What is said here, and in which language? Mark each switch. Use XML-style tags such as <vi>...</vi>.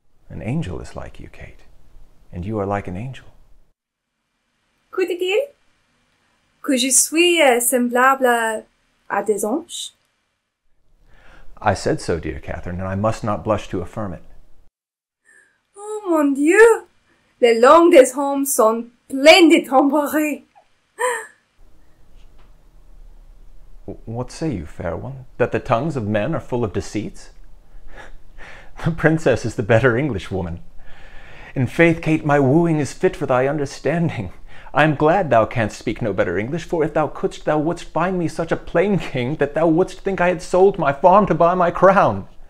<en>An angel is like you, Kate, and you are like an angel.</en> <fr>Que dit-il? Que je suis semblable à des anges?</fr> <en>I said so, dear Catherine, and I must not blush to affirm it.</en> <fr>Oh, mon Dieu! Les langues des hommes sont pleines de tambourines!</fr> <en>What say you, fair one, that the tongues of men are full of deceits? The princess is the better Englishwoman. In faith, Kate, my wooing is fit for thy understanding. I am glad thou canst speak no better English, for if thou couldst, thou wouldst find me such a plain king that thou wouldst think I had sold my farm to buy my crown.</en>